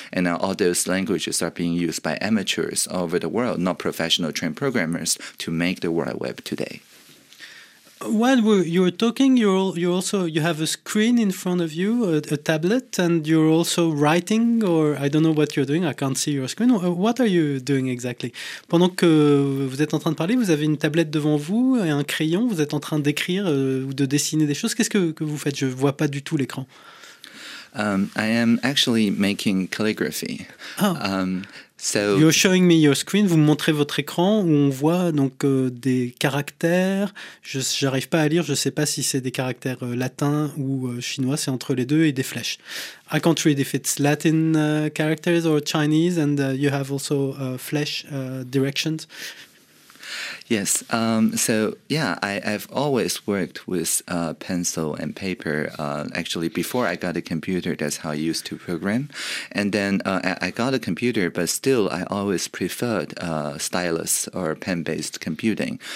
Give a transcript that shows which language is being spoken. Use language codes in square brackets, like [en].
[en] And now all those languages are being used by amateurs all over the world, not professional trained programmers, to make the world web today. While you were talking, you have a screen in front of you, a tablet, and you're also writing, or I don't know what you're doing, I can't see your screen. What are you doing exactly? [fr] Pendant que vous êtes en train de parler, vous avez une tablette devant vous et un crayon, vous êtes en train d'écrire ou de dessiner des choses. Qu'est-ce que vous faites? Je ne vois pas du tout l'écran. [en] I am actually making calligraphy. So you're showing me your screen. [fr] Vous montrez votre écran où on voit donc des caractères. Je n'arrive pas à lire. Je ne sais pas si c'est des caractères latins ou chinois. C'est entre les deux et des flèches. [en] I can't read if it's Latin characters or Chinese. And you have also flèches directions. Yes. So, yeah, I've always worked with pencil and paper. Actually, before I got a computer, that's how I used to program. And then I got a computer, but still, I always preferred stylus or pen-based computing.